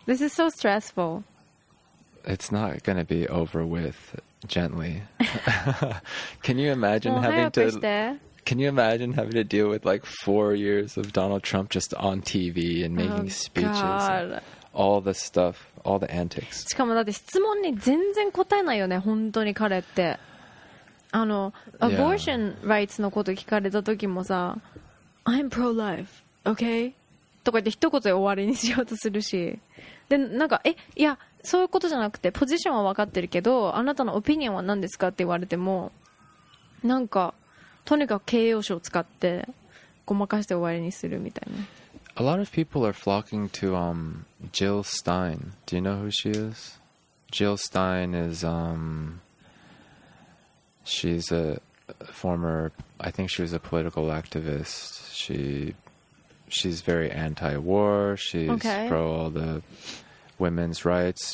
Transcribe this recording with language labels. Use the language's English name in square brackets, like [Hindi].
[English] This is so stressful. It's not going to be over with gently. Can you imagine having to deal with like 4 years of Donald Trump just on TV and making speeches? God. All the stuff, all the antics. [Japanese] しかもだって質問に全然答えないよね、本当に彼って。あの、abortion rights のこと聞かれた時もさ、 [English] I'm pro-life, okay? [Japanese] とか言って一言で終わりにしようとするし。で、なんか、え、いや、そういうことじゃなくて、ポジションは分かってるけど、あなたのオピニオンは何ですかって言われても、なんか、とにかく形容詞を使って、ごまかして終わりにするみたいな。 [English] A lot of people are flocking to, Jill Stein. Do you know who she is? Jill Stein is, She's a former, I think she was a political activist. She's very anti-war. She's pro all the women's rights.